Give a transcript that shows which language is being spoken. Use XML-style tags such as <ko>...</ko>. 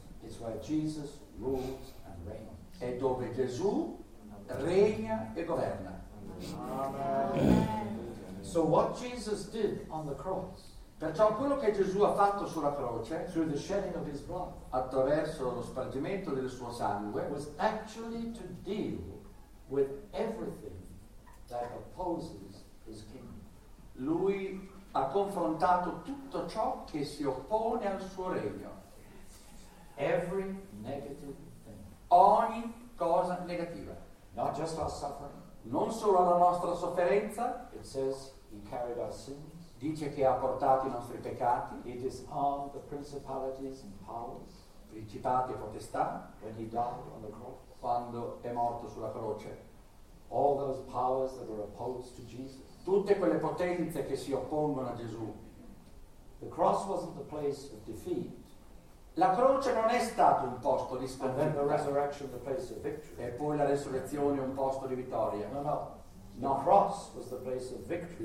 <en>It's where Jesus rules and reigns.</en> <it>È dove Gesù regna e governa.</it> <en>So what Jesus did on the cross,</en> <it>perciò quello che Gesù ha fatto sulla croce,</it> <en>through the shedding of his blood,</en> <it>attraverso lo spargimento del suo sangue,</it> <en>was actually to deal with everything that opposes his kingdom.</en> <it>Lui ha confrontato tutto ciò che si oppone al suo regno.</it> <en>Every negative thing.</en> <it>Ogni cosa negativa.</it> <en>Not just our suffering.</en> <it>Non solo la nostra sofferenza.</it> <en>It says he carried our sins.</en> <it>Dice che ha portato i nostri peccati.</it> <en>He disarmed the principalities and powers.</en> <it>Principati e potestà.</it> <en>When he died on the cross.</en> <it>Quando è morto sulla croce.</it> <en>All those powers that were opposed to Jesus.</en> <it>Tutte quelle potenze che si oppongono a Gesù.</it> <en>The cross wasn't the place of defeat.</en> <it>La croce non è stato un posto di sconfitta.</it> <en>The resurrection, the place of victory.</en> <it>E poi la resurrezione un posto di vittoria.</it> <en>No, no. No. The cross was the place of victory.</en>